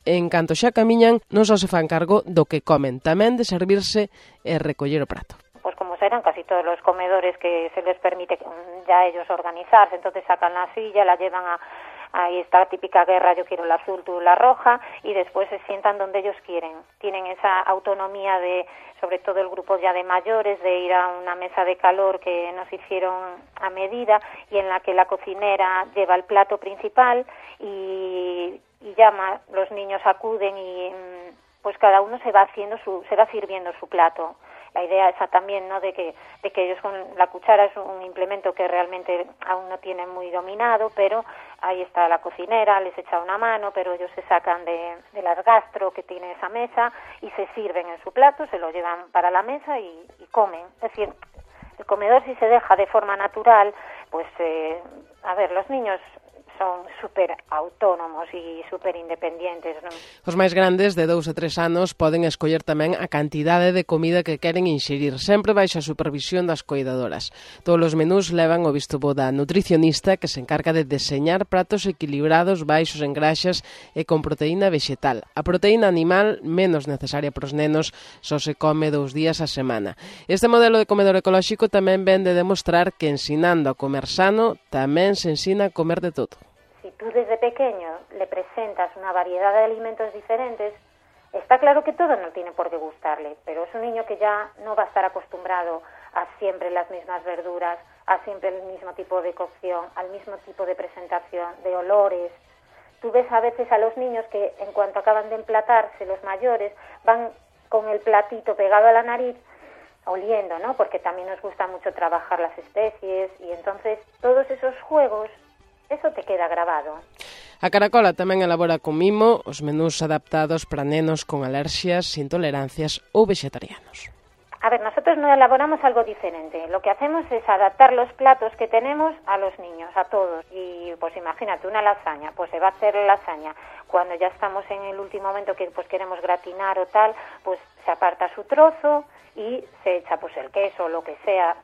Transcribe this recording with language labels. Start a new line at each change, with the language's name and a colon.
Galician: En canto xa camiñan, non só se fan cargo do que comen, tamén de servirse e recoller o prato.
Spanish: Eran casi todos los comedores que se les permite ya ellos organizarse, entonces sacan la silla, la llevan a ahí está la típica guerra, yo quiero la azul, tú la roja, y después se sientan donde ellos quieren. Tienen esa autonomía de, sobre todo el grupo ya de mayores, de ir a una mesa de calor que nos hicieron a medida y en la que la cocinera lleva el plato principal y llama, los niños acuden y pues cada uno se va sirviendo su plato. La idea esa también, ¿no?, de que ellos con la cuchara, es un implemento que realmente aún no tienen muy dominado, pero ahí está la cocinera, les echa una mano, pero ellos se sacan de las gastro que tiene esa mesa y se sirven en su plato, se lo llevan para la mesa y comen. Es decir, el comedor si se deja de forma natural, pues, los niños son súper autónomos y súper independientes, ¿no?
Galician: Os máis grandes, de 2 a 3 anos, poden escoller tamén a cantidade de comida que queren inxerir, sempre baixo a supervisión das coidadoras. Todos os menús levan o visto bo da nutricionista, que se encarga de deseñar pratos equilibrados, baixos en graxas e con proteína vexetal. A proteína animal, menos necesaria para os nenos, só se come 2 días a semana. Este modelo de comedor ecolóxico tamén ven de demostrar que ensinando a comer sano, tamén se ensina a comer de todo.
Spanish: Si tú desde pequeño le presentas una variedad de alimentos diferentes, está claro que todo no tiene por qué gustarle, pero es un niño que ya no va a estar acostumbrado a siempre las mismas verduras, a siempre el mismo tipo de cocción, al mismo tipo de presentación, de olores. Tú ves a veces a los niños que en cuanto acaban de emplatarse, los mayores, van con el platito pegado a la nariz, oliendo, ¿no? Porque también nos gusta mucho trabajar las especies y entonces todos esos juegos, eso te queda grabado.
Galician: A Caracola tamén elabora con mimo os menús adaptados para nenos con alerxias, intolerancias ou vexetarianos.
Spanish: A ver, nosotros no elaboramos algo diferente. Lo que hacemos es adaptar los platos que tenemos a los niños, a todos. Y pues imagínate, una lasaña, pues se va a hacer lasaña. Cuando ya estamos en el último momento que pues queremos gratinar o tal, pues se aparta su trozo y se echa pues el queso o lo que sea.